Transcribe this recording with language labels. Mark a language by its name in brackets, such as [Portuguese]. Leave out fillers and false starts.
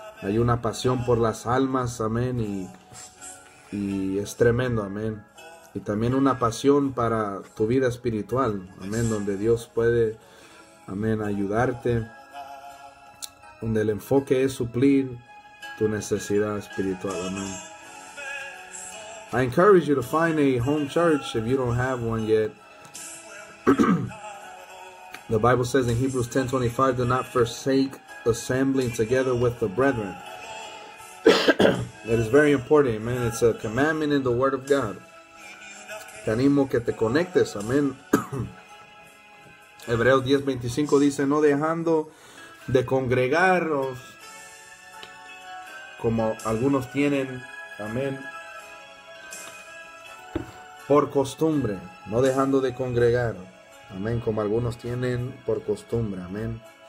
[Spanish] Hay una pasión por las almas, amén, y es tremendo, amén. Y también una pasión para tu vida espiritual, amén, donde Dios puede, amén, ayudarte, donde el enfoque es suplir tu necesidad espiritual, amén. [English] I encourage you to find a home church if you don't have one yet. The Bible says in Hebrews 10:25, do not forsake assembling together with the brethren. That is very important, amen. It's a commandment in the Word of God. [Spanish] Te animo que te conectes, amén. Hebreos 10:25 dice, no dejando de congregaros como algunos tienen, amén, por costumbre, no dejando de congregar, amén, como algunos tienen por costumbre, amén.